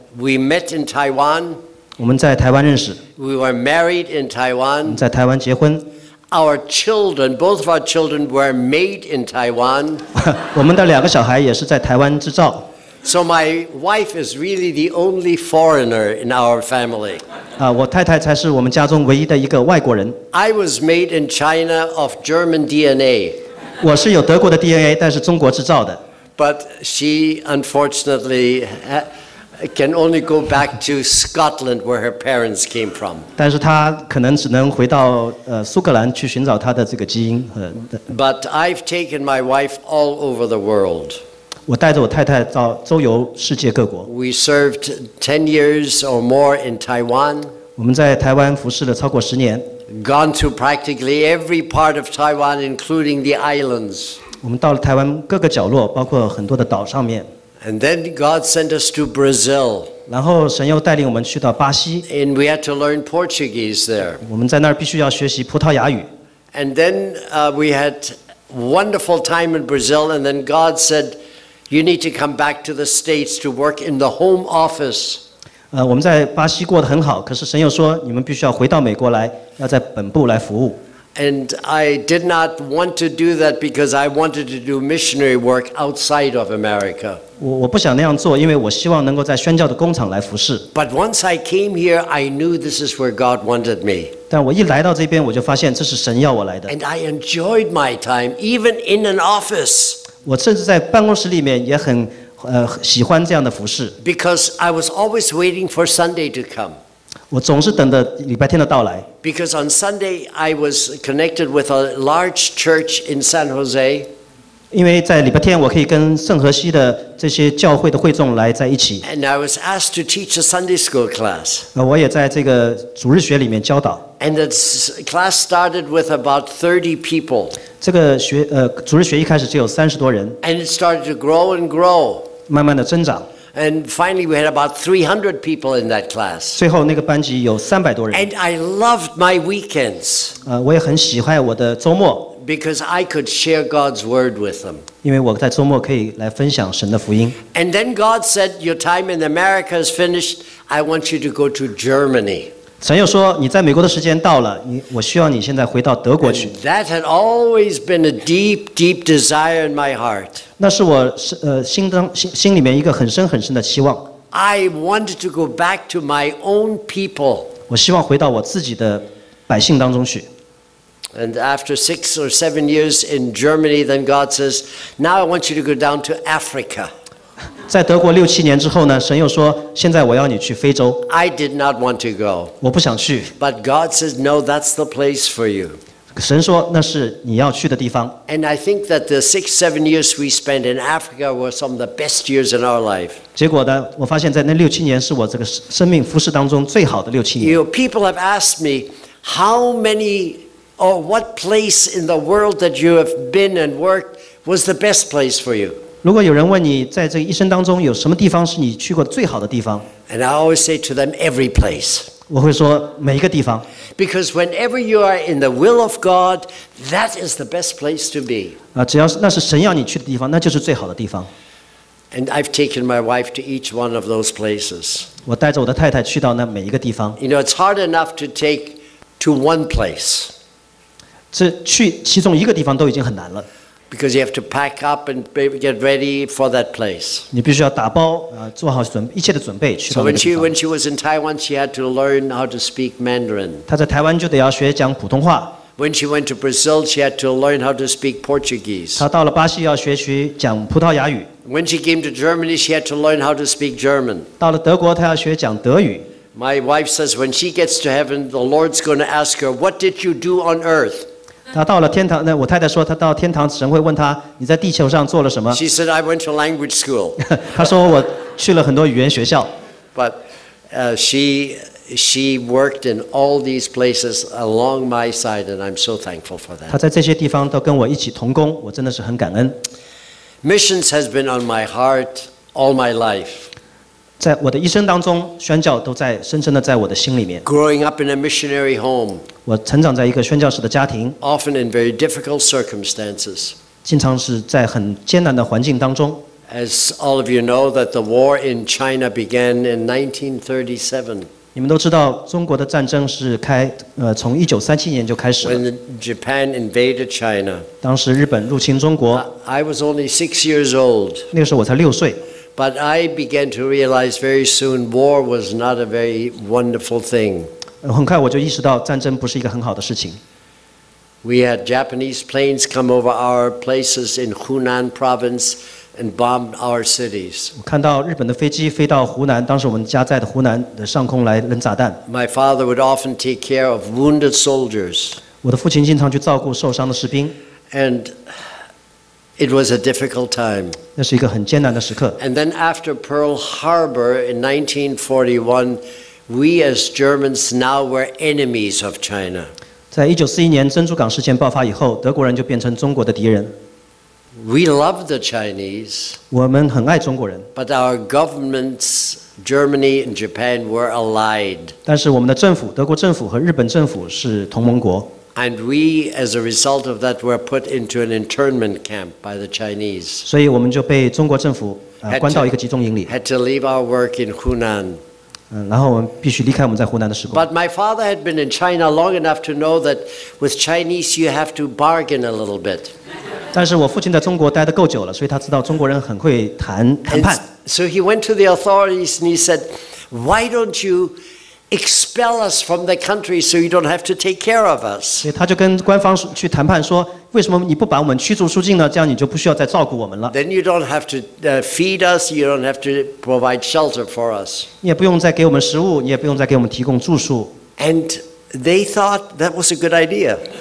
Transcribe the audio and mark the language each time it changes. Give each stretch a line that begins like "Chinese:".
English: We met in Taiwan.
Chinese: 我们在台湾认识。
English: We were married in Taiwan.
Chinese: 在台湾结婚。
English: Our children, both of our children were made in Taiwan.
Chinese: 我们的两个小孩也是在台湾制造。
English: So my wife is really the only foreigner in our family.
Chinese: 我太太才是我们家中唯一的一个外国人。
English: I was made in China of German DNA.
Chinese: 我是有德国的 DNA， 但是中国制造的。
English: But she unfortunately can only go back to Scotland where her parents came from.
Chinese: 但是她可能只能回到苏格兰去寻找她的这个基因。
English: But I've taken my wife all over the world.
Chinese: 我带着我太太到周游世界各国。
English: We served 10 years or more in Taiwan.
Chinese: 我们在台湾服侍了超过十年。
English: Gone to practically every part of Taiwan, including the islands.
Chinese: 我们到了台湾各个角落，包括很多的岛上面。
English: And then God sent us to Brazil.
Chinese: 然后神又带领我们去到巴西。
English: And we had to learn Portuguese there.
Chinese: 我们在那儿必须要学习葡萄牙语。
English: And then we had wonderful time in Brazil, and then God said,You need to come back to the States to work in the home office.
Chinese: 我们在巴西过得很好，可是神又说你们必须要回到美国来，要在本部来服务。
English: And I did not want to do that because I wanted to do missionary work outside of America.
Chinese: 我不想那样做，因为我希望能够在宣教的工厂来服事。
English: But once I came here, I knew this is where God wanted me.
Chinese: 但我一来到这边，我就发现这是神要我来的。
English: And I enjoyed my time, even in an office.
Chinese: 我甚至在办公室里面也很喜欢这样的服事。
English: Because I was always waiting for Sunday to come.
Chinese: 我总是等着礼拜天的到来。
English: Because on Sunday I was connected with a large church in San Jose.
Chinese: 因为在礼拜天我可以跟圣何西的这些教会的会众来在一起。
English: And I was asked to teach a Sunday school class.
Chinese: 我也在这个主日学里面教导。
English: And the class started with about 30 people.
Chinese: 这个学主日学一开始只有三十多人。
English: And it started to grow and grow.
Chinese: 慢慢的增长。
English: And finally we had about 300 people in that class.
Chinese: 最后那个班级有三百多人。
English: And I loved my weekends.
Chinese: 我也很喜欢我的周末。
English: Because I could share God's word with them.
Chinese: 因为我在周末可以来分享神的福音。
English: And then God said, your time in America is finished. I want you to go to Germany.
Chinese: 神又说你在美国的时间到了，我需要你现在回到德国去。
English: That had always been a deep, deep desire in my heart.
Chinese: 那是我心里面一个很深很深的期望。
English: I wanted to go back to my own people.
Chinese: 我希望回到我自己的百姓当中去。
English: And after 6 or 7 years in Germany, then God says, now I want you to go down to Africa.
Chinese: 在德国六七年之后呢，神又说：“现在我要你去非洲。”
English: I did not want to go.
Chinese: 我不想去。
English: But God says, "No, that's the place for you."
Chinese: 神说那是你要去的地方。
English: And I think that the 6-7 years we spent in Africa were some of the best years in our life.
Chinese: 结果呢，我发现在那六七年是我这个生命服事当中最好的六七年。
English: You know, people have asked me how many or what place in the world that you have been and worked was the best place for you.
Chinese: 如果有人问你在这一生当中有什么地方是你去过最好的地方
English: And I always say to them, every place.
Chinese: 我会说每一个地方
English: Because whenever you are in the will of God, that is the best place to be.
Chinese: 只要那是神要你去的地方，那就是最好的地方。
English: And I've taken my wife to each one of those places.
Chinese: 我带着我的太太去到那每一个地方。
English: You know, it's hard enough to take to one place.
Chinese: 这去其中一个地方都已经很难了。
English: Because you have to pack up and get ready for that place.
Chinese: 你必须要打包，做好一切的准备去到那个地方。
English: So when she was in Taiwan, she had to learn how to speak Mandarin.
Chinese: 她在台湾就得要学讲普通话。
English: When she went to Brazil, she had to learn how to speak Portuguese.
Chinese: 她到了巴西要学习讲葡萄牙语。
English: When she came to Germany, she had to learn how to speak German.
Chinese: 到了德国，她要学讲德语。
English: My wife says when she gets to heaven, the Lord's going to ask her, "What did you do on earth?"
Chinese: 他到了天堂，那我太太说，他到天堂，神会问他，你在地球上做了什么
English: ？She said I went to language school.
Chinese: 他说我去了很多语言学校。
English: But she worked in all these places along my side, and I'm so thankful for that.
Chinese: 他在这些地方都跟我一起同工，我真的是很感恩。
English: Missions has been on my heart all my life.
Chinese: 在我的一生当中，宣教都在深深的在我的心里面。
English: Growing up in a missionary home.
Chinese: 我成长在一个宣教士的家庭
English: ，often in very difficult circumstances，
Chinese: 经常是在很艰难的环境当中。
English: As all of you know, that the war in China began in 1937.
Chinese: 你们都知道，中国的战争是从1937年就开始了。
English: When Japan invaded China，
Chinese: 当时日本入侵中国。
English: I was only 6 years old.
Chinese: 那个时候我才六岁。
English: But I began to realize very soon war was not a very wonderful thing.
Chinese: 很快我就意识到战争不是一个很好的事情。
English: We had Japanese planes come over our places in Hunan province and bombed our cities.
Chinese: 我看到日本的飞机飞到湖南，当时我们家在的湖南的上空来扔炸弹。
English: My father would often take care of wounded soldiers.
Chinese: 我的父亲经常去照顾受伤的士兵。
English: And it was a difficult time.
Chinese: 那是一个很艰难的时刻。
English: And then after Pearl Harbor in 1941, we as Germans now were enemies of China.
Chinese: 在1941年珍珠港事件爆发以后，德国人就变成中国的敌人。
English: We love the Chinese.
Chinese: 我们很爱中国人。
English: But our governments, Germany and Japan, were allied.
Chinese: 但是我们的政府，德国政府和日本政府是同盟国。
English: And we, as a result of that, were put into an internment camp by the Chinese.
Chinese: 所以我们就被中国政府关到一个集中营里。
English: Had to leave our work in Hunan.
Chinese: 然后我们必须离开我们在湖南的时光。
English: But my father had been in China long enough to know that with Chinese you have to bargain a little bit.
Chinese: 但是我父亲在中国待得够久了，所以他知道中国人很会谈判。
English: So he went to the authorities and he said, "Why don't you expel us from the country so you don't have to take care of us?"
Chinese: 所以他就跟官方去谈判说，为什么你不把我们驱逐出境呢？这样你就不需要再照顾我们了。
English: Then you don't have to feed us. You don't have to provide shelter for us.
Chinese: 你也不用再给我们食物，你也不用再给我们提供住宿。
English: And they thought that was a good idea.